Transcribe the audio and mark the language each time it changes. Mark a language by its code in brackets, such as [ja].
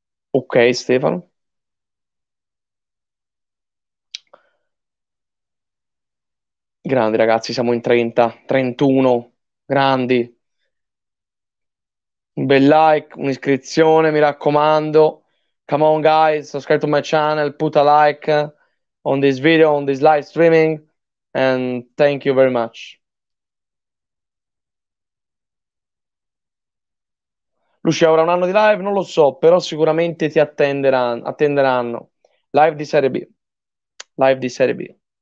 [it] Ok, Stefano. Grandi ragazzi, siamo in 30, 31, grandi. Un bel like, un'iscrizione, mi raccomando. [en] Come on guys, subscribe to my channel, put a like on this video, on this live streaming, and thank you very much. [it] Lucia, avrà un anno di live? Non lo so, però sicuramente ti attenderanno. Live di Serie B. Live di Serie B.